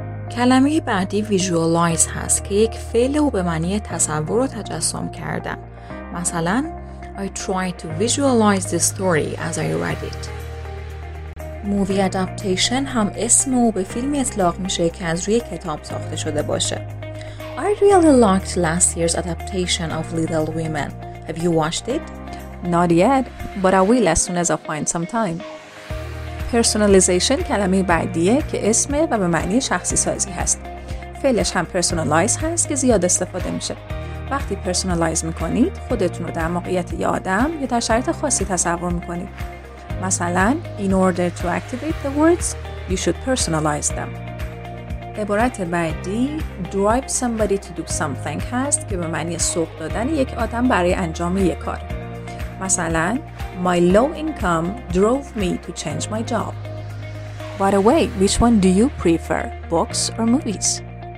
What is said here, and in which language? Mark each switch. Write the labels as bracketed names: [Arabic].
[Persian] کلمه بعدی visualize هست که یک فعل و به معنی تصور و تجسم کردن. مثلا [English] I tried to visualize the story as I read it. [Persian] Movie adaptation هم اسم و به فیلمی اطلاق میشه که از روی کتاب ساخته شده باشه. [English] I really liked last year's adaptation of Little Women. Have you watched it? Not yet, but I will as soon as I find some time. [Persian] Personalization کلمه بعدیه که اسم و به معنی شخصی سازی هست. فعلش هم personalize هست که زیاد استفاده میشه. وقتی personalize میکنید خودتون رو در موقعیت یه آدم یا در شرایط خاصی تصور میکنید. مثلا [English] in order to activate the words you should personalize them. [Persian] عبارت بعدی [English] drive somebody to do something [Persian] هست که به معنی سوق دادن یک آدم برای انجام یک کار. مثلا [English] my low income drove me to change my job. By the way, which one do you prefer, books or movies?